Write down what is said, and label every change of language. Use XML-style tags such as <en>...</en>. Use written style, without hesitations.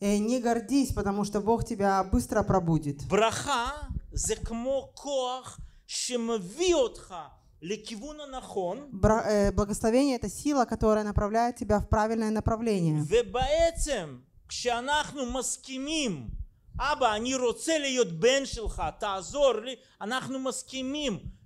<ru>Не гордись, потому что Бог тебя быстро пробудит.</ru> <he>Браха. זה כמו כוח שמביא אותך לכיוון הנכון.</he> <ru>Благословение – это сила, которая направляет тебя в правильное направление.</ru> <he>ובעצם, כשאנחנו מסכימים, אבא, אני רוצה להיות בן שלך, תעזור לי, אנחנו מסכימים.</he>